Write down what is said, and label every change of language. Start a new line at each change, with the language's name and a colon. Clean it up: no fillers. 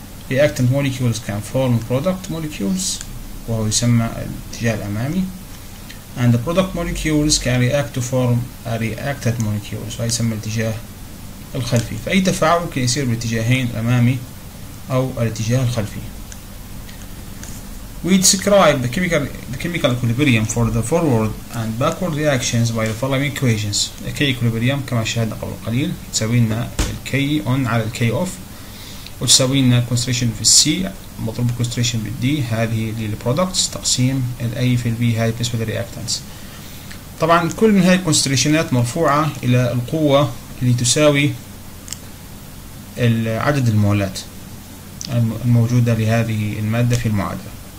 English: Reactant molecules can form product molecules
Arabic: وهو يسمى الاتجاه الأمامي،
English: and the product molecules can react to form a reacted molecules
Arabic: وهي يسمى الاتجاه الخلفي. فأي تفاعل ممكن يسير باتجاهين أمامي أو الاتجاه الخلفي.
English: We describe the chemical equilibrium for the forward and backward reactions by the following equations.
Arabic: The K equilibrium كما شاهدنا قبل قليل تساوي لنا ال K on على ال K off، وتساوي لنا concentration في C مضروب concentration في D، هذه لل products تقسيم ال A في ال B، هذه بالنسبة لل reactants. طبعا كل من هذه concentrationات مرفوعة إلى القوة اللي تساوي عدد المولات الموجودة لهذه المادة في المعادلة.